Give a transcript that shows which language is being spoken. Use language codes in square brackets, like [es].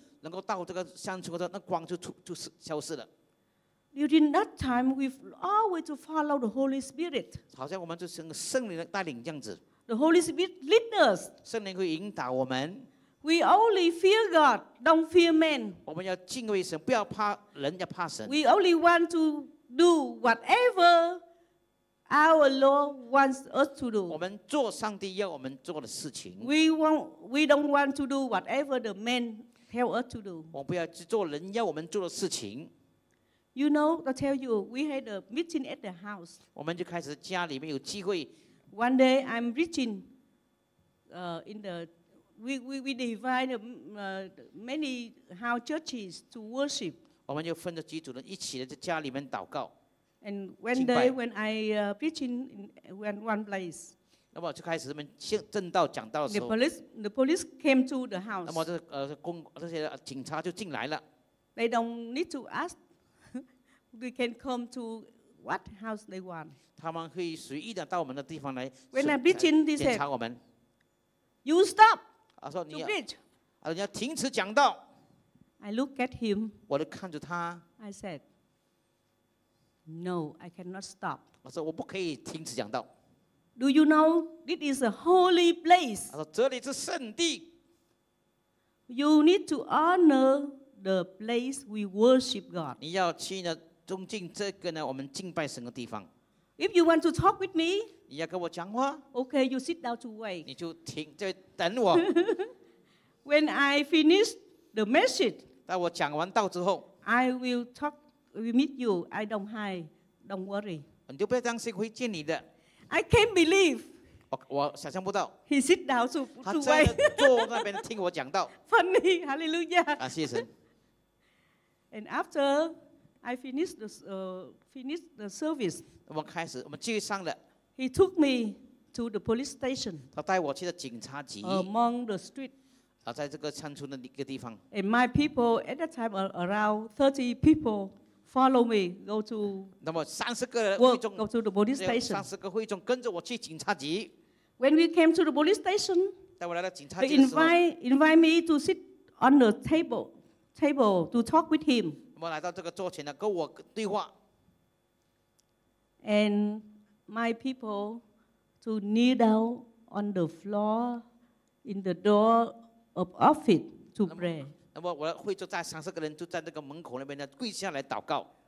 [zh] 直到的我们来到一个路，能够到这个乡村的时候，那光就消失了。 [en] During that time, we always to follow the Holy Spirit. [zh] 好像我们就是圣灵的带领这样子。 [en] The Holy Spirit lead us. [zh] 圣灵会引导我们。 [en] We only fear God, don't fear man. [zh] 我们要敬畏神，不要怕人，要怕神。 [en] We only want to do whatever our Lord wants us to do. [zh] 我们做上帝要我们做的事情。 [en] We don't want to do whatever the man tell us to do. [zh] 我们不要去做人要我们做的事情。 [en] You know, I tell you, we had a meeting at the house. [zh] 我们就开始家里面有聚会。 [en] One day, I'm preaching in the we divide many house churches to worship. [zh] 我们就分了几组人一起在家里面祷告。 [en] And one day, when I preaching in one place. [zh] 那么就开始他们正道讲道的时候。 [en] The police came to the house. [zh] 那么这些警察就进来了。 [en] They don't need to ask. We can come to what house they want. [zh] 他们可以随意的到我们的地方来。 [en] When I'm preaching, they said, [zh] 检查我们。 [en] You stop. [zh] 他说你， [en] to preach. [zh] 你要停止讲道。 [en] I look at him. [zh] 我就看着他。 [en] I said, No, I cannot stop. [zh] 我说我不可以停止讲道。 [en] Do you know this is a holy place? [zh] 他说这里是圣地。 [en] You need to honor the place we worship God. [zh] 你要去呢尊敬这个呢我们敬拜神的地方。 [en] If you want to talk with me, [zh] 你要跟我讲话。 [en] Okay, you sit down to wait. [zh] 你就停，就等我。 [en] When I finish the message, [zh] 当我讲完道之后。 [en] I will talk, will meet you. I don't hide. Don't worry. [zh] 你就不要担心会见你的。 [en] I can't believe. [zh] 我想象不到。 [en] He sit down to wait. [zh] 他在坐那边听我讲道。 [en] Funny, hallelujah. [zh] 感谢神。 [en] And after I finish the service, [zh] 我们继续上了。 [en] He took me to the police station. [zh] 他带我去了警察局。 [en] Among the street. [zh] 在这个乡村的一个地方。 [en] And my people at that time around 30 people follow me go to. [zh] 那么30个会众 [en] go to the police station. [zh] 30个会众跟着我去警察局。 [en] When we came to the police station, [zh] 带我来到警察局的时候, [en] they invite me to sit on the table to talk with him. [zh] 我来到这个桌前呢，跟我对话。 [en] And my people to kneel down on the floor in the door of office to pray. [zh] 那么我会就在30个人就在那个门口那边呢跪下来祷告。